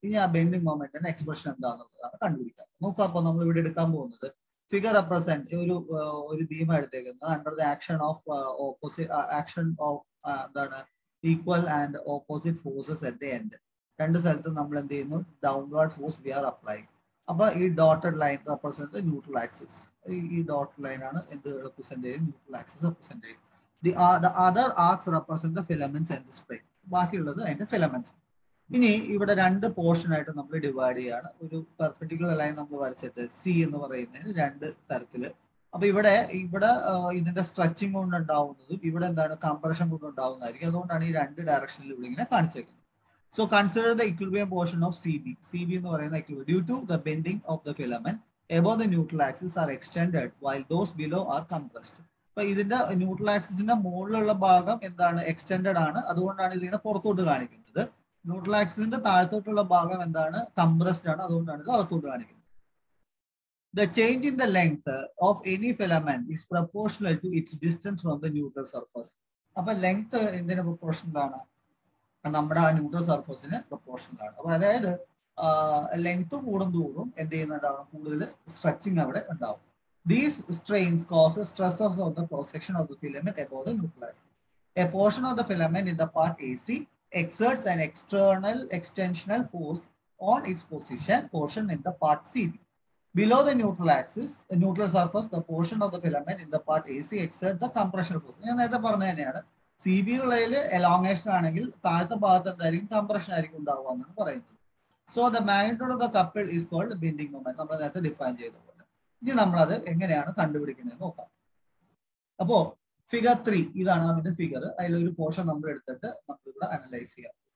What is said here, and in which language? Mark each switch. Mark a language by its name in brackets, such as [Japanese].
[Malayalam] ഇനി ആ bending മൊമെന്റിന് expression എന്താണെന്നുള്ളതാണ് കണ്ടുപിടിക്കാൻ നോക്കുക. അപ്പൊ നമ്മൾ ഇവിടെ എടുക്കാൻ പോകുന്നത് ഫിഗർ റെപ്രസെന്റ് ഒരു ഒരു ബീം എടുത്തേക്കുന്നത് under the action of opposite action of എന്താണ് [English] Equal and opposite forces at the end. [Malayalam] രണ്ട് സ്ഥലത്തും നമ്മൾ എന്ത് ചെയ്യുന്നു, downward force [English] We are apply. [Malayalam] അപ്പൊ ഈ dotted line represent neutral axis, ഈ ഡോട്ടഡ് ലൈനാണ് എന്ത് റെപ്രസെന്റ് ചെയ്യുന്നത്, ന്യൂട്രൽ ആക്സിസ് റെപ്രസെന്റ് ചെയ്യുന്നത്. [English] The other arcs represent the filaments and the spray. [Malayalam] ബാക്കിയുള്ളത് അതിന്റെ ഫിലമെന്റ്സ്. ഇനി ഇവിടെ രണ്ട് പോർഷൻ ആയിട്ട് നമ്മൾ ഡിവൈഡ് ചെയ്യുകയാണ്. ഒരു പെർപെൻഡിക്കുലർ ലൈൻ നമ്മൾ വരച്ചിട്ട് സി എന്ന് പറയുന്നതിന് രണ്ട് തരത്തില്. അപ്പൊ ഇവിടെ ഇവിടെ ഇതിന്റെ സ്ട്രെച്ചിങ് കൊണ്ട് ഉണ്ടാവുന്നതും ഇവിടെ എന്താണ് കംപ്രഷൻ കൊണ്ട് ഉണ്ടാവുന്നതായിരിക്കും, അതുകൊണ്ടാണ് ഈ രണ്ട് ഡയറക്ഷനിൽ ഇവിടെ ഇങ്ങനെ കാണിച്ചേക്കുന്നത്. [English] So consider the equilibrium portion of C B. C B [Malayalam] എന്ന് പറയുന്ന [English] Equilibrium due to the bending of the filament above the neutral axis are extended while those below are compressed. [Malayalam] അപ്പൊ ഇതിന്റെ ന്യൂട്രൽ ആക്സിസിന്റെ മുകളിലുള്ള ഭാഗം എന്താണ് എക്സ്റ്റെൻഡഡ് ആണ്, അതുകൊണ്ടാണ് ഇതിനെ പുറത്തോട്ട് കാണിക്കുന്നത്. ന്യൂട്രൽ ആക്സിസിന്റെ താഴത്തോട്ടുള്ള ഭാഗം എന്താണ് കംപ്രസ്ഡ് ആണ്, അതുകൊണ്ടാണ് ഇത് അകത്തോട്ട് കാണിക്കുന്നത്. [English] The change in the length of any filament is proportional to its distance from the neutral surface. [Malayalam] അപ്പൊ ലെങ്ത് എന്തിനെ പ്രപ്പോർഷണലാണ്, നമ്മുടെ ആ ന്യൂട്രൽ സർഫസിന് പ്രപ്പോർഷണലാണ്. അപ്പൊ അതായത് ലെങ്ത് കൂടുന്തോറും എന്ത് ചെയ്യുന്നുണ്ടാവണം, കൂടുതൽ സ്ട്രെച്ചിങ് അവിടെ ഉണ്ടാവും. [English] These strains cause stressors on the cross section of the filament above the neutral axis. A portion of the filament in the part AC exerts an external extensional force on its position portion in the part CB. Below the neutral axis, the neutral surface, the portion of the filament in the part AC exerts the compressional force. [Malayalam] ഞാൻ നേരത്തെ പറഞ്ഞതാണ്, CB ഉള്ളതിൽ elongation ആണെങ്കിൽ താഴത്തെ ഭാഗത്ത് എന്തായാലും compression ആയിരിക്കും ഉണ്ടാവുക എന്നാണ് പറയുന്നത്. [English] so the magnitude of the couple is called bending moment, [Malayalam] നമ്മൾ നേരത്തെ ഡിഫൈൻ ചെയ്ത. ഇനി നമ്മൾ അത് എങ്ങനെയാണ് കണ്ടുപിടിക്കുന്നത് നോക്കാം. അപ്പോ ഫിഗർ 3 ഇതാണ് അതിന്റെ ഫിഗർ, അതിലൊരു പോർഷൻ നമ്മൾ എടുത്തിട്ട് നമുക്കിവിടെ അനലൈസ് ചെയ്യാം.